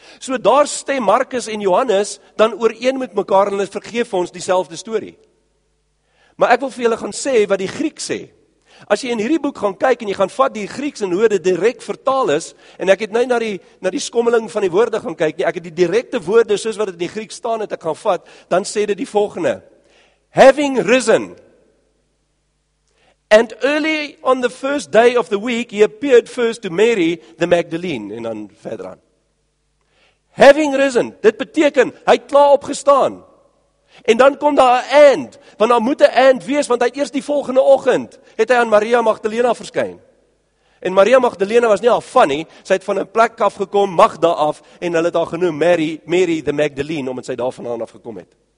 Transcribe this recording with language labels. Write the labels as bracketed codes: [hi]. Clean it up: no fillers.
[af] So daar stem Markus en Johannes dan ooreen met mekaar, en hulle vergeef ons dieselfde story. Maar ek wil vir julle gaan sê wat die Grieks sê. As jy in hierdie boek gaan kyk en jy gaan vat die Grieks en hoe dit direct vertaal is, en ek het nou na die skommeling van die woorde gaan kyk nie, ek het die direkte woorde soos wat dit in die Grieks staan het, ek gaan vat, dan sê dit die volgende. [en] Having risen, and early on the first day of the week, he appeared first to Mary the Magdalene, [af] en dan verder aan. Having risen, dit beteken, hy het klaar opgestaan, en dan kom daar 'n and, want daar moet 'n and wees, want hy het eers die volgende oggend, het hy aan Maria Magdalena verskyn, en Maria Magdalena was nie al funny, sy het van 'n plek af gekom, Magda af, en hulle het haar genoem Mary the Magdalene, omdat sy daar vanaan af gekom het.